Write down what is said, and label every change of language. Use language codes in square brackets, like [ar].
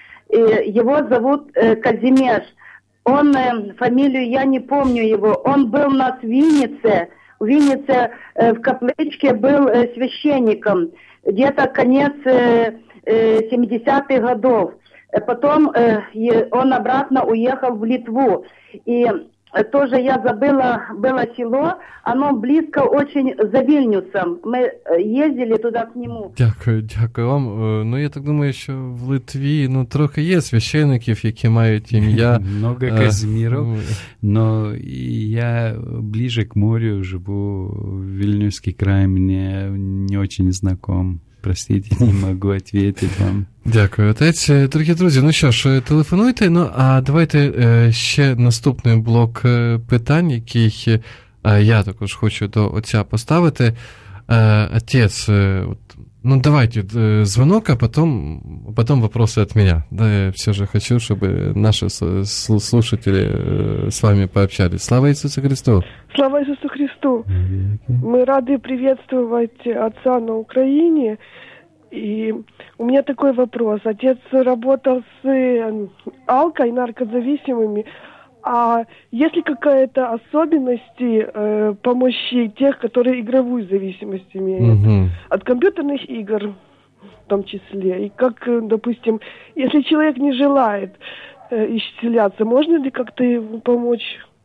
[ru] И его зовут Казимеш. Он, фамилию я не помню его, он был у нас в Виннице в Капличке был священником, где-то конец 70-х годов. Потом он обратно уехал в Литву, и тоже я забыла, было село, оно близко очень за Вильнюсом, мы ездили туда к нему. [uk] Дякую, дякую вам. [ru] Ну, я так думаю, что в Литве, ну, [uk] трохи [ru] есть священников, [uk] які мають ім'я. [ru] Много Казимиров, но я ближе к морю живу, Вильнюсский край мне не очень знаком. Простите, не могу ответить вам. [uk] Дякую, отець. Дорогі друзі, ну що ж, телефонуйте. Ну, а давайте ще наступний блок питань, яких я також хочу до отця поставити. Отець, ну давайте дзвінок, а потім питання від мене. Да, я все ж хочу, щоб наші слушателі з вами пообщались. Слава Ісусу Христу! Слава Ісусу Христу! Ми раді привітувати отця на Україні. [ru] И у меня такой вопрос. Отец работал с алко- и наркозависимыми. А есть ли какая-то особенность помощи тех, которые игровую зависимость имеют? От компьютерных игр в том числе. И как, допустим, если человек не желает исцеляться, можно ли как-то ему помочь?